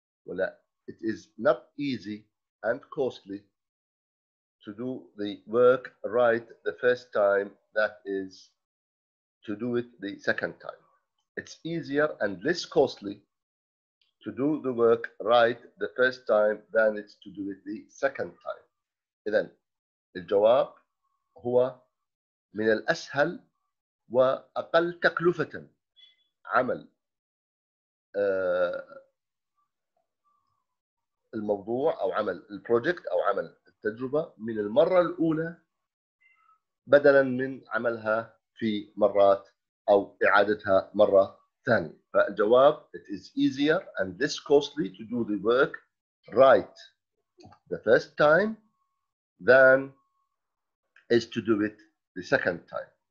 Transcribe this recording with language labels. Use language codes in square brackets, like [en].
[en] ولا it is not easy and costly to do the work right the first time that is to do it the second time. It's easier and less costly to do the work right the first time than it's to do it the second time. [ar] إذن الجواب هو: من الأسهل وأقل تكلفة عمل الموضوع أو عمل البروجكت أو عمل التجربة من المرة الأولى بدلا من عملها في مرات أو إعادتها مرة ثانية. فالجواب: [en] it is easier and less costly to do the work right the first time than is to do it the second time.